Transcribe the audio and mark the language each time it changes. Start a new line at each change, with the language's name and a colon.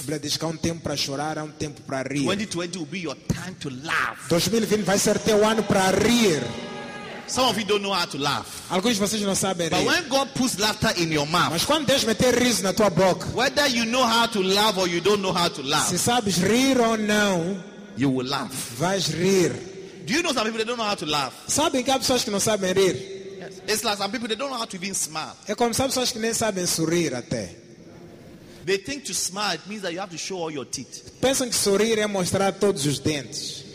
Portuguese: A Bíblia diz que há um tempo para chorar, há um tempo para rir.
English: 2020 will be your time to laugh.
Portuguese: 2020 vai ser teu ano para rir.
English: Some of you don't know how to laugh.
Portuguese: Alguns de vocês não sabem rir.
English: But when God puts laughter in your mouth.
Portuguese: Mas quando Deus meter riso na tua boca.
English: Whether you know how to laugh or you don't know how to laugh.
Portuguese: Se sabes rir ou não,
English: you will laugh.
Portuguese: Vais rir.
English: Do you know some people they don't know how to laugh?
Portuguese: Sabe que há pessoas que não sabem rir.
English: Yes. It's like some people they don't know how to even smile.
Portuguese: É como sabe pessoas que nem sabem sorrir até.
English: They think to smile it means that you have to show all your teeth.
Portuguese: Pensam que sorrir é mostrar todos os dentes.